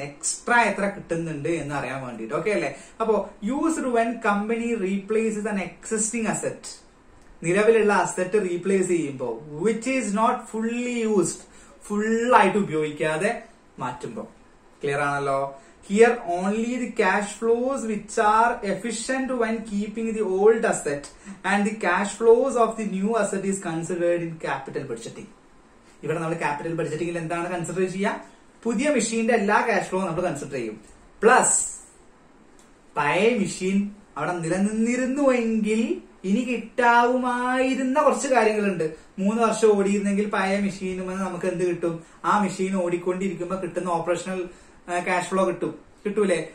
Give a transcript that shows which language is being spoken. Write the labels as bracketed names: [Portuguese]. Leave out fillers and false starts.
[Malayalam] Extra എത്ര കിട്ടുന്നുണ്ട് എന്ന് അറിയാൻ വേണ്ടിട്ട്, ഓക്കെ അല്ലേ. അപ്പോ [English] Used when company replaces an existing asset. [Malayalam] നിലവിലുള്ള അസറ്റ് റീപ്ലേസ് ചെയ്യുമ്പോ, [English] which is not fully used, [Malayalam] ഫുള്ളായിട്ട് ഉപയോഗിക്കാതെ മാറ്റുമ്പോ. ക്ലിയർ ആണല്ലോ. [English] Here only the cash flows which are efficient when keeping the old asset and the cash flows of the new asset is considered in capital budgeting. [Malayalam] ഇവിടെ നമ്മൾ capital budgeting ൽ എന്താണ് consider ചെയ്യുക? പുതിയ മെഷീന്റെ എല്ലാ ക്യാഷ് ഫ്ലോ നമ്മൾ consider ചെയ്യും, പ്ലസ് പഴയ മെഷീൻ അവിടെ നിലനിന്നിരുന്നുവെങ്കിൽ ഇനി കിട്ടാവുമായിരുന്ന കുറച്ച് കാര്യങ്ങളുണ്ട്. 3 വർഷം ഓടിയിരുന്നെങ്കിൽ പഴയ മെഷീനുമെന്ന് നമുക്ക് എന്ത് കിട്ടും? ആ മെഷീൻ ഓടിക്കൊണ്ടിരിക്കുമ്പോ കിട്ടുന്ന ഓപ്പറേഷണൽ ക്യാഷ് ഫ്ലോ കിട്ടും, കിട്ടൂലേ.